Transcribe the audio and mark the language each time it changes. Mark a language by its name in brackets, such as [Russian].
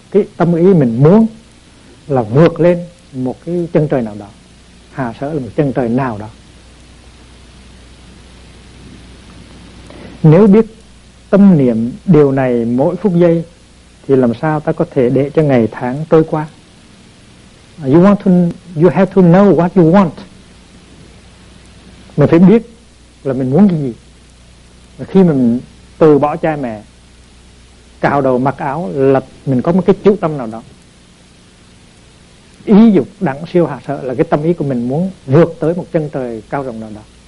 [Vietnamese] Cái tâm ý mình muốn là vượt lên một cái chân trời nào đó. Hà sở là một chân trời nào đó. Nếu biết tâm niệm điều này mỗi phút giây thì làm sao ta có thể để cho ngày tháng trôi qua [English] You have to know what you want. [Vietnamese] Mình phải biết là mình muốn cái gì. Và khi mình từ bỏ cha mẹ, cạo đầu mặc áo là mình có một cái chú tâm nào đó. Ý dục đẳng siêu hạ sợ là cái tâm ý của mình muốn vượt tới một chân trời cao rộng nào đó.